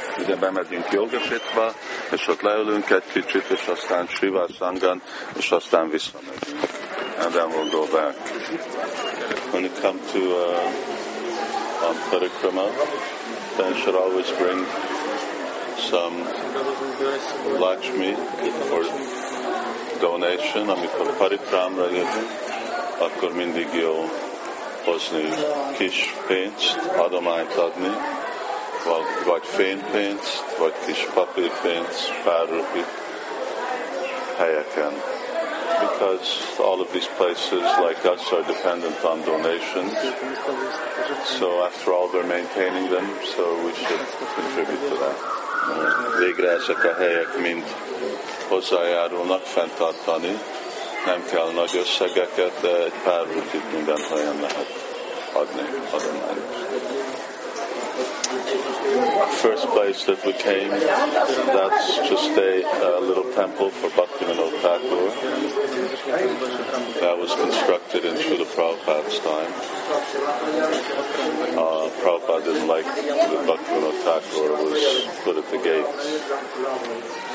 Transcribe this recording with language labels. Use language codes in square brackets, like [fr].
[hu] Ide bemegyünk Yoga Pitba, és ott leülünk egy kicsit, és aztán Shiva Sangan, és aztán visszamegyünk. [en] And then we'll go back. When you come to Parikrama, then you should always bring some Lakshmi or donation. [hu] Amikor Parikrama jövünk, akkor mindig jó hozni kis pénzt, adományt adni, vagy fénypénzt, vagy kis papírpénzt, pár rupi helyeken. [en] Because all of these places like us are dependent on donations, so after all they're maintaining them, so we should contribute to that. [hu] végre ezek a helyek mind hozzájárulnak fenntartani. Nem kell nagy összegeket, de egy pár rupit minden helyen lehet adni adományt. [en] First place that we came, that's just a little temple for Bhaktivinoda Thakur. That was constructed in Srila Prabhupada's time. Prabhupada didn't like the Bhaktivinoda Thakur, it was put at the gate.